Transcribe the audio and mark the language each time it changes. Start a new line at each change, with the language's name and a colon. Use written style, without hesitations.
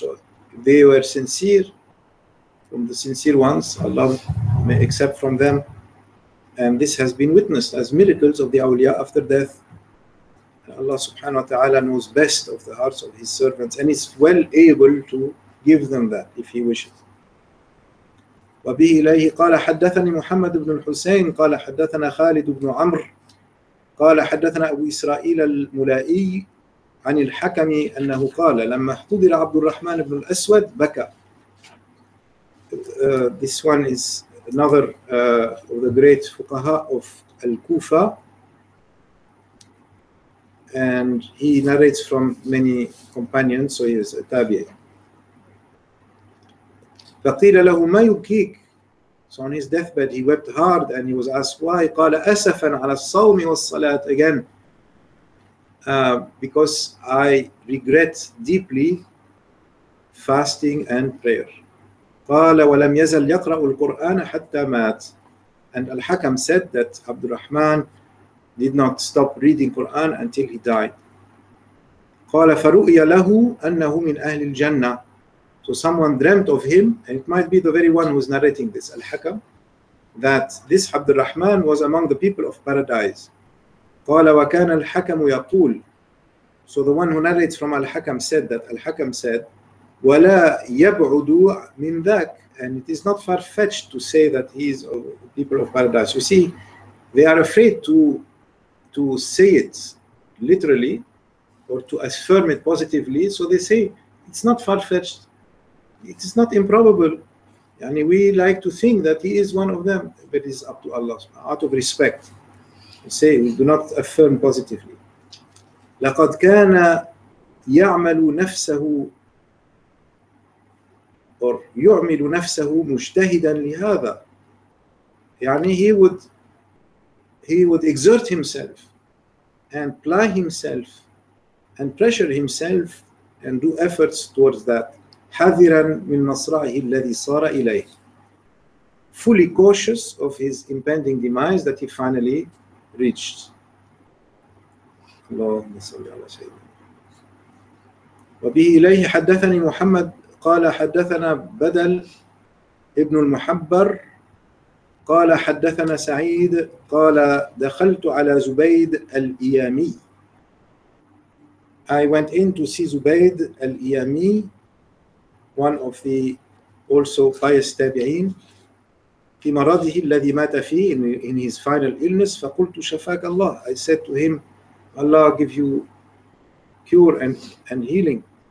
English: So if they were sincere, from the sincere ones, Allah may accept from them. And this has been witnessed as miracles of the awliya after death. Allah subhanahu wa ta'ala knows best of the hearts of his servants, and is well able to give them that if he wishes.
Arabic: وبه إليه قال حدثني محمد بن الحسين قال حدثنا خالد بن عمرو قال حدثنا أبو إسرائيل الملائي عن الحكم أنه قال لما احتضر عبد الرحمن بن الأسود بكى.
English: This one is another of the great fuqaha of Al-Kufa, and he narrates from many companions, so he is a tabi'i.
Arabic: فقيل له ما يبكيك.
English: So on his deathbed, he wept hard and he was asked why.
Arabic: قال أسفا على الصوم والصلاة.
English: Again, because I regret deeply fasting and prayer.
Arabic: قال ولم يزل يقرأ القرآن حتى مات.
English: And Al-Hakam said that Abdul Rahman did not stop reading Quran until he died.
Arabic: قال فرؤي له أنه من أهل الجنة.
English: So someone dreamt of him, and it might be the very one who is narrating this, Al-Hakam, that this Abdul Rahman was among the people of paradise.
Arabic: قال وكان الحكم يقول.
English: So the one who narrates from Al-Hakam said that Al-Hakam said
Arabic: ولا يبعد من ذاك,
English: and it is not far-fetched to say that he is of people of paradise. You see, they are afraid to say it literally or to affirm it positively, so they say it's not far-fetched, it is not improbable. And we like to think that he is one of them, but it's up to Allah. Out of respect, we say we do not affirm positively.
Arabic: لقد كان يعمل نفسه or يعمل نفسه مجتهدا لهذا.
English: يعني he would exert himself and ply himself and pressure himself and do efforts towards that.
Arabic: حذرا من مصرعه الذي صار إليه.
English: Fully cautious of his impending demise that he finally reached.
Arabic: اللهم صل على سيدنا. وبه إليه حدثني محمد قال حدثنا بدل ابن المحبر قال حدثنا سعيد قال دخلت على زبيد الإيامي.
English: I went in to see زبيد الإيامي, one of the also pious tabi'in,
Arabic: في مرضه الذي مات فيه,
English: in his final illness.
Arabic: فقلت شفاك الله.
English: I said to him, Allah give you cure and healing.